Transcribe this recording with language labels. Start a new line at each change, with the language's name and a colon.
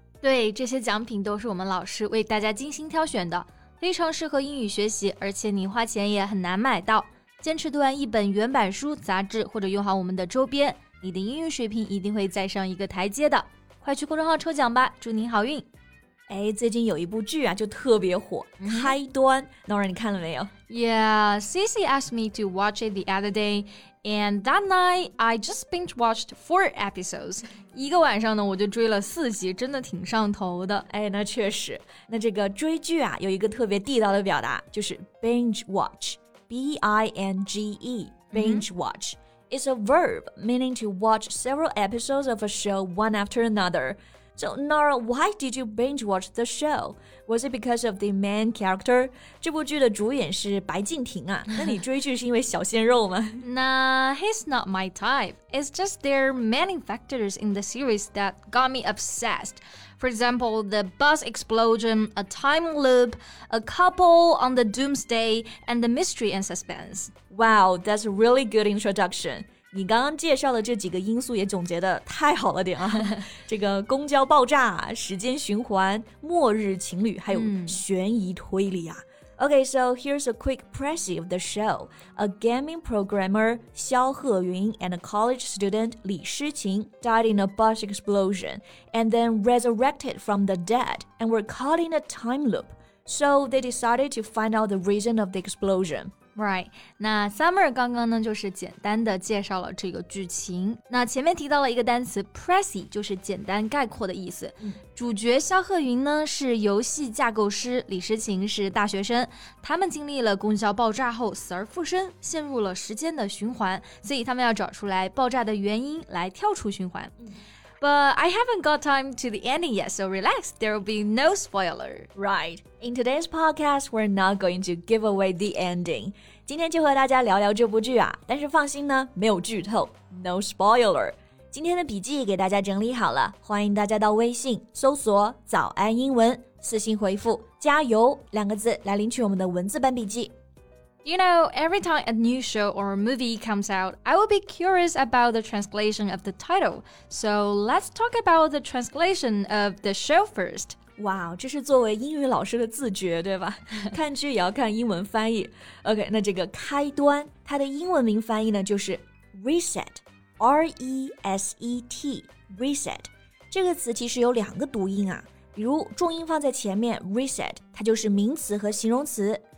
Chinese: 对，这些奖品都是我们老师为大家精心挑选的，非常适合英语学习，而且你花钱也很难买到。坚持读完一本原版书、杂志，或者用好我们的周边，你的英语水平一定会再上一个台阶的。快去公众号抽奖吧，祝您好运。哎，最近有一部剧啊，就特别火，开端。 Nora，你看了没有？
English: Yeah, Cici asked me to watch it the other day, and that night, I just binge-watched 4 episodes.
Chinese: 一个晚上呢，我就追了4集，真的挺上头的。哎，那确实。那这个追剧啊，有一个特别地道的表达，就是 binge-watch。
English: B-I-N-G-E, binge watch. It's a verb meaning to watch several episodes of a show one after another. So, Nora, why did you binge watch the show? Was it because of the main character?
Chinese: 这部剧的主演是白敬亭啊。那你追剧是因为小鲜肉吗？
English: Nah, he's not my type. It's just there are many factors in the series that got me obsessed. For example, the bus explosion, a time loop, a couple on the doomsday, and the mystery and suspense. Wow, that's a really good introduction.
Chinese: 你刚刚介绍的这几个因素也总结得太好了点啊。这个公交爆炸、时间循环、末日情侣，还有悬疑推理啊。
English: Okay, so here's a quick preview of the show. A gaming programmer, 肖鹤云, and a college student, 李诗晴, died in a bus explosion, and then resurrected from the dead, and were caught in a time loop. So they decided to find out the reason of the explosion.
Chinese: Right, 那 Summer 刚刚呢就是简单的介绍了这个剧情。那前面提到了一个单词 Pressy, 就是简单概括的意思。主角肖鹤云呢是游戏架构师，李诗晴是大学生，他们经历了公交爆炸后死而复生，陷入了时间的循环，所以他们要找出来爆炸的原因来跳出循环。
English: But I haven't got time to the ending yet, so relax, there will be no spoiler. Right. In today's podcast, we're not going to give away the ending.
Chinese: 今天就和大家聊聊这部剧啊，但是放心呢，没有剧透，
English: no spoiler.
Chinese: 今天的笔记给大家整理好了，欢迎大家到微信搜索早安英文，私信回复加油两个字来领取我们的文字版笔记。
English: You know, every time a new show or a movie comes out, I will be curious about the translation of the title. So let's talk about the translation of the show first.
Chinese: Wow, 这是作为英语老师的自觉，对吧？看剧也要看英文翻译。OK, 那这个开端，它的英文名翻译呢就是 reset, R-E-S-E-T, reset. 这个词其实有两个读音啊，比如重音放在前面 reset, 它就是名词和形容词。